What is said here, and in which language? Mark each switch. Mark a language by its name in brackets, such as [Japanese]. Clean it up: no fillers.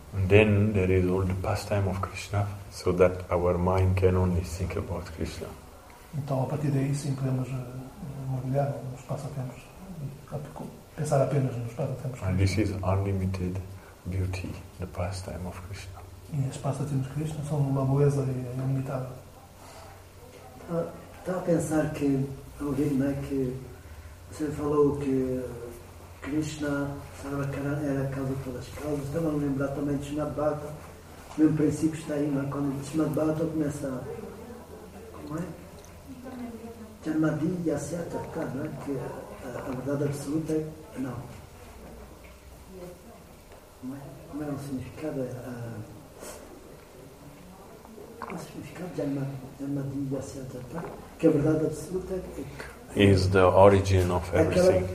[English] And then there is all the pastime of Krishna, so that our mind can only think about Krishna. [Portuguese] Então, a partir daí, sim, podemos mergulhar nos passatempos e pensar apenas nos passatempos. [English] And this is unlimited beauty, the pastime of Krishna. [Portuguese] E os passatempos de Krishna são uma beleza ilimitada. Estava a pensar que, ao ouvir, não é, que você falou que Krishna era a causa de todas as causas. Estava a lembrar também de Srimad Bhagavatam. O mesmo princípio está aí, não é? Quando Srimad Bhagavatam começa a... Como é? Janmadiya Seta, não é? Que a verdade absoluta é... Não. Como é o significado? Qual é o significado de Janmadiya Seta? Que a verdade absoluta é... [English] Is the origin of everything.